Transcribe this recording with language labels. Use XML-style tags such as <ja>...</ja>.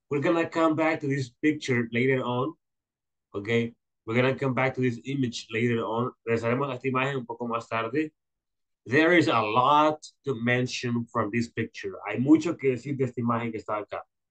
<en>We're gonna come back to this picture later on. Okay. We're gonna come back to this image later on.</en> <es>Regresaremos a esta imagen un poco más tarde.</es> <en>There is a lot to mention from this picture.</en> <es>Hay mucho que decir de esta imagen que está acá.</es>